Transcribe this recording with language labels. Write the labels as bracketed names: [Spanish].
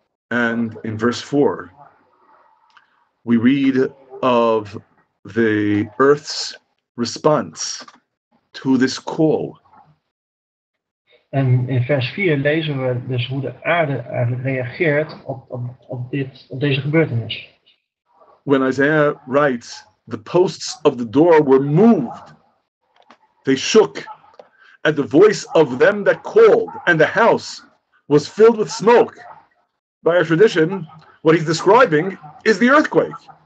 [English] And in verse 4, we read of the earth's response to this call. [Dutch] En in vers 4 lezen we dus hoe de aarde eigenlijk reageert op deze gebeurtenis. [English] When Isaiah writes, the posts of the door were moved. They shook at the voice of them that called, and the house was filled with smoke. By our tradition, what he's describing is the earthquake.